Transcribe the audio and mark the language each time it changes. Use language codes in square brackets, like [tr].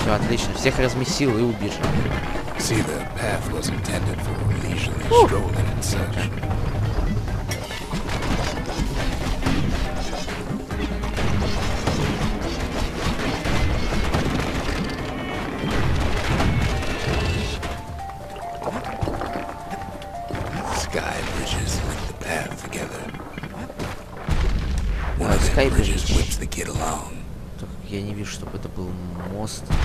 [ru] Все отлично, всех разместил и убежал. [en] See, the path was intended for leisurely strolling and such. Sky bridges link the path together. One of the bridges whips the kid along. [ru] Я не вижу, чтобы это был мост.